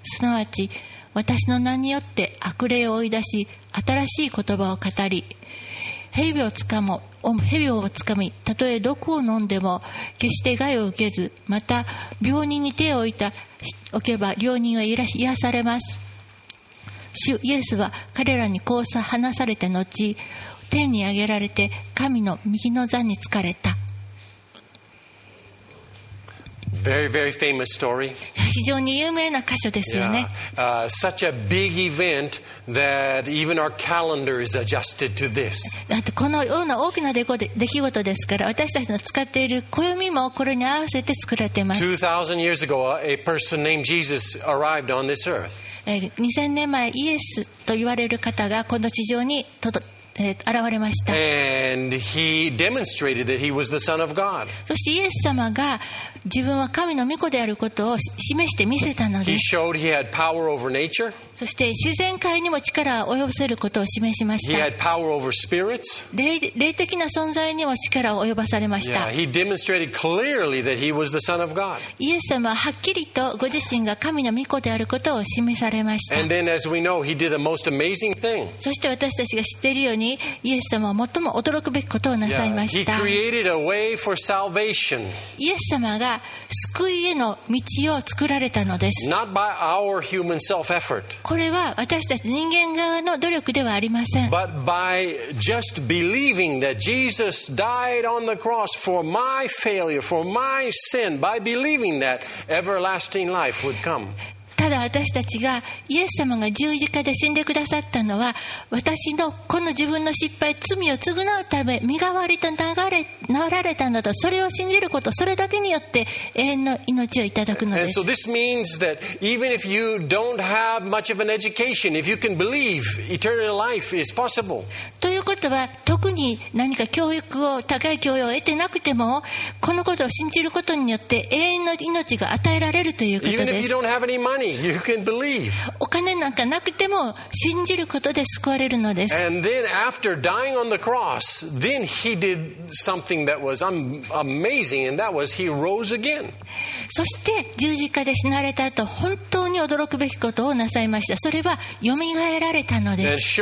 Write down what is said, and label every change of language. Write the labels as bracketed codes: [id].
[ja] すなわち、私の名によって悪霊を追い出し、新しい言葉を語り、蛇をつかみ、たとえ毒を飲んでも決して害を受けず、また病人に手を置けば病人は癒されます。主イエスは彼らにこう話された後、天に上げられて神の右の座に着かれた。 [en] Very, very famous story. [ja] 非常に有名な箇所ですよね。 [en] Such a big event that even our calendar is adjusted to this. [ja] だってこのような大きな出来事ですから、私たちの使っている暦もこれに合わせて作られています。 [en] 2000 years ago, a person named Jesus arrived on this earth. [ja] 2000年前、イエスと言われる方がこの地上に現れました。 [en] And he demonstrated that he was the Son of God. [ja] そしてイエス様が自分は神の御子であることを示して見せたのです。 [en] He showed he had power over nature. [ja] そして自然界にも力を及ぼせることを示しました。 [en] He had power over spirits. [ja] 霊的な存在にも力を及ばされました。 [en] Yeah, he demonstrated clearly that he was the Son of God. [ja] イエス様ははっきりとご自身が神の御子であることを示されました。 [en] And then, as we know, he did the most amazing thing. [ja] そして私たちが知っているように、にイエス様は最も驚くべきことをなさいました。 [en] He created a way for salvation. [ja] イエス様が救いへの道を作られたのです。 [en] Not by our human self-effort. [ja] これは私たち人間側の努力ではありません。 [en] But by just believing that Jesus died on the cross for my failure, for my sin, by believing that everlasting life would come. [ja] ただ私たちがイエス様が十字架で死んでくださったのは私のこの自分の失敗罪を償うため身代わりと流れ治られたのだ、それを信じること、それだけによって永遠の命をいただくのです。 [en] And so this means that even if you don't have much of an education, if you can believe eternal life is possible. [ja] ということは特に何か教育を高い教養を得てなくてもこのことを信じることによって永遠の命が与えられるということです。 [en] Even if you don't have any money,You can believe. [ja] お金なんかなくても信じることで救われるのです。 [en] And then after dying on the cross, then he did something that was amazing, and that was he rose again. [ja] そして十字架で死なれた後、本当に驚くべきことをなさいました。それは蘇られたのです。